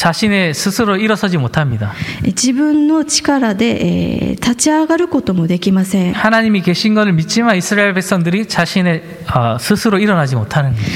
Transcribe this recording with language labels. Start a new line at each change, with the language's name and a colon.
Korean: 자신의 스스로 일어서지 못합니다.
Japanese: 自分の力で立ち上がることもできません。
Korean: 하나님이 계신 것을 믿지만 이스라엘 백성들이 자신의 스스로 일어나지 못하는